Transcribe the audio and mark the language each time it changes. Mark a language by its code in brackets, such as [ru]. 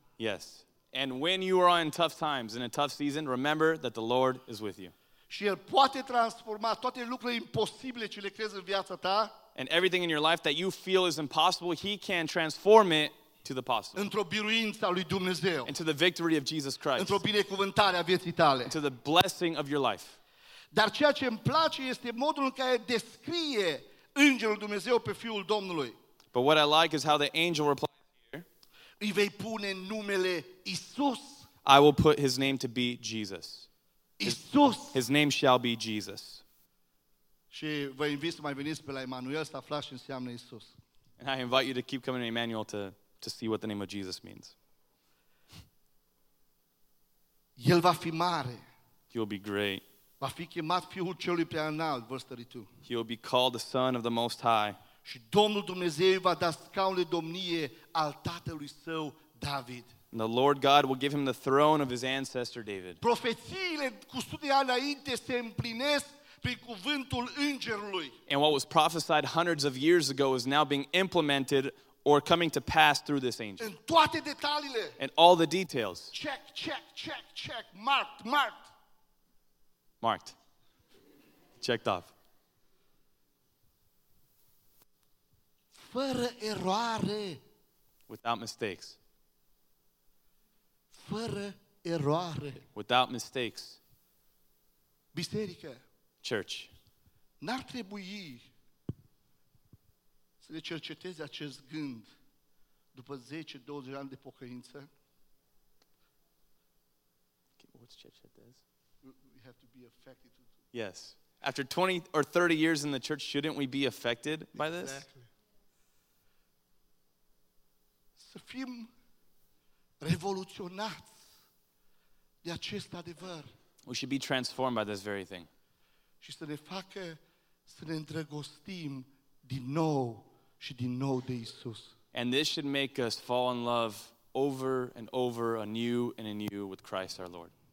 [en] Yes. And when you are in tough times, in a tough season, remember that the Lord is with you. [ro] Și El poate transforma toate lucrurile imposibile ce le crezi în viața ta. [en] and everything in your life that you feel is impossible, he can transform it to the possible. [ro] Într-o biruința lui Dumnezeu. [en] Into the victory of Jesus Christ. [ro] Într-o binecuvântare a vieții tale. [en] Into the blessing of your life. [ro] Dar ceea ce îmi place este modul în care descrie Îngerul Dumnezeu pe Fiul Domnului. [en] But what I like is how the angel replies here. [ro] Îi vei pune numele Isus. [en] I will put his name to be Jesus. [ro] Isus. [en] His name shall be Jesus. [ro] Și vă invit să mai veniți pe la Emanuel, să aflați ce înseamnă Isus. [en] And I invite you to keep coming to Emmanuel to see what the name of Jesus means. [ro] El va fi mare. [en] He will be great. [ro] Va fi chemat Fiul Celui Preaînalt, [en] verse 32. He will be called the Son of the Most High. [ro] Și Domnul Dumnezeu va da scaunul de domnie al tatălui său, David. [en] And the Lord God will give him the throne of his ancestor, David. [ro] Profețiile cu sute de ani înainte se împlinesc prin cuvântul Îngerului. [en] And what was prophesied hundreds of years ago is now being implemented or coming to pass through this angel. [ro] În toate detaliile. [en] And all the details. Check, check, check, check. Marked, marked. Marked. Checked off. [ro] Fără eroare. [en] Without mistakes. [ro] Fără eroare. [en] Without mistakes. [ro] Biserică. [en] Church. [ro] N-ar trebui să ne cerceteze acest gând după 10-20 ani de pocăință. [en] What's cerceteze? Have to be affected. Yes. After 20 or 30 years in the church, shouldn't we be affected by this? Exactly. [ro] Să fim revoluționați de acest adevăr. [en] We should be transformed by this very thing. [ro] Și să ne facă să ne îndrăgostim din nou și din nou de Isus. [en] And this should make us fall in love over and over anew and anew with Christ our Lord.